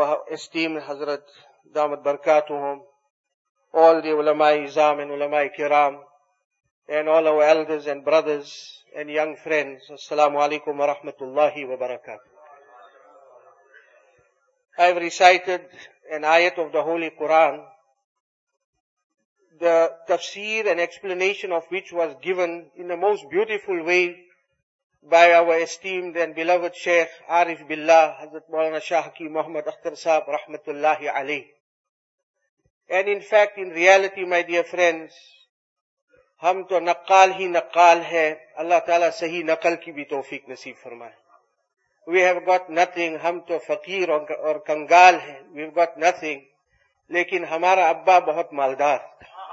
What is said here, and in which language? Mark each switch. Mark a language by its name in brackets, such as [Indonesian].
[English] esteemed Hazrat Damat Barakatuhum, all the ulama-i-izam and ulama-i-kiram, and all our elders and brothers and young friends, assalamu alaikum wa rahmatullahi wa barakatuh. I have recited an ayat of the Holy Quran, the tafsir and explanation of which was given in the most beautiful way by our esteemed and beloved Shaykh Arif Billah, Hazrat Maulana Shah Hakim Muhammad Akhtar Sahib, rahmatullahi alayhi. And in fact, in reality, my dear friends, [Urdu] ہم تو نقال ہی نقال ہے, اللہ تعالیٰ صحیح نقل کی بھی توفیق نصیب فرمائے. [English] We have got nothing, [Urdu] ہم تو فقیر اور کنگال ہیں, [English] we've got nothing, [Urdu] لیکن ہمارا ابا بہت مالدار تھا.